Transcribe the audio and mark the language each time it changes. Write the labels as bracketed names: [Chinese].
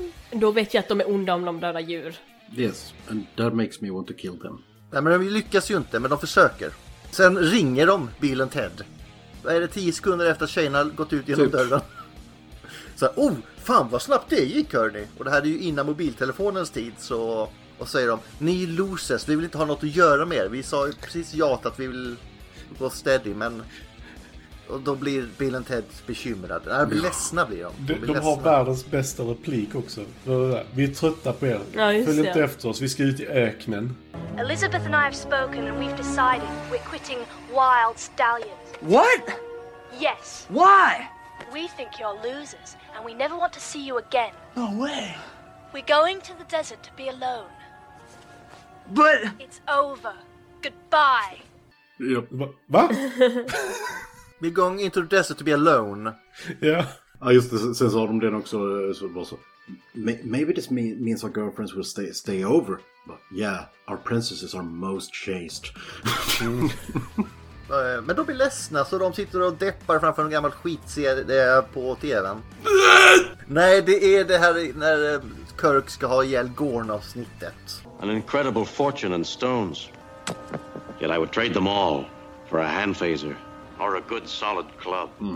[Swedish] Då vet jag att de är onda om de döda djur. [English] Yes, and that makes me want to kill them. [Swedish] Nej, men de lyckas ju inte, men de försöker. Sen ringer de Bill & Ted. Vad är det, 10 sekunder efter att tjejerna gått ut genom dörren? Så här, oh, fan vad snabbt det gick, hörni. Och det här är ju innan mobiltelefonens tid, så... Och säger de, ni losers, vi vill inte ha något att göra med er. Vi sa ju precis ja att vi vill gå steady, men... Och då blir Bill & Ted bekymrade. Nej, ja. Ledsna blir de. De har världens bästa replik också. Vi är trötta på er. Ja, följ inte efter oss, vi ska ut i öknen. [English] Elizabeth and I have spoken and we've decided we're quitting Wild Stallions. What? Yes. Why? We think you're losers and we never want to see you again. No way. We're going to the desert to be alone. But it's over. Goodbye. Yeah. [Swedish] Va? [English] We're going into the desert to be alone. Yeah. [Swedish] Ja, just det. Sen sa de den också. Så. [English] Maybe this means our girlfriends will stay over. But yeah, our princesses are most chaste. [Swedish] Men de blir ledsna, så de sitter och deppar framför en gammal skitserie på TV:n. Nej, det är det här när Kirk ska ha ihjäl Gorn-avsnittet. [English] An incredible fortune in stones. Yet I would trade them all for a hand phaser or a good solid club.